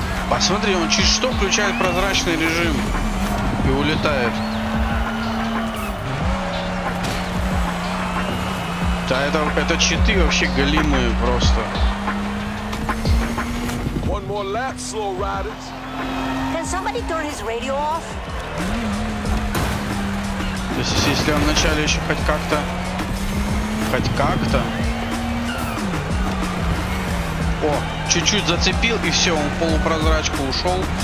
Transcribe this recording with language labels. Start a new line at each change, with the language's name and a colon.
Russian: Посмотри, он чуть что включает прозрачный режим и улетает. Да это читы вообще галимые просто.
English: One more lap, slow riders. Can somebody turn his radio off?
Russian: То есть если он вначале еще хоть как-то. О, чуть-чуть зацепил, и все, он в полупрозрачку ушел.